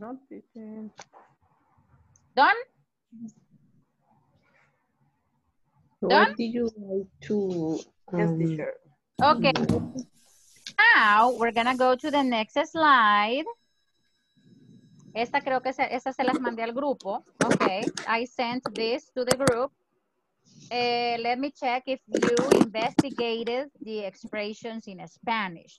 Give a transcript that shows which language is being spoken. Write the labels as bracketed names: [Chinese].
[English] Done? Done? What did you like to... Okay. Now, we're going to go to the next slide. [Spanish] Esta creo que esta se las mandé al grupo. [English] Okay. I sent this to the group. Let me check if you investigated the expressions in Spanish.